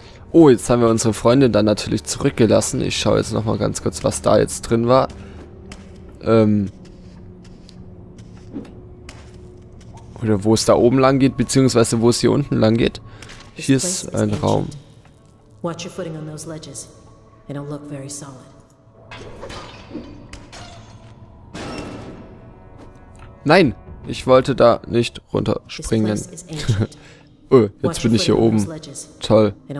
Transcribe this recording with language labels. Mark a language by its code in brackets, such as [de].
[de] Oh, jetzt haben wir unsere Freundin dann natürlich zurückgelassen. Ich schaue jetzt nochmal ganz kurz, was da jetzt drin war. Oder wo es da oben lang geht, beziehungsweise wo es hier unten lang geht. Hier ist ein Raum. [en] Watch your footing on those ledges. They don't look very solid. [de] Nein, ich wollte da nicht runterspringen. jetzt bin ich hier oben. Toll.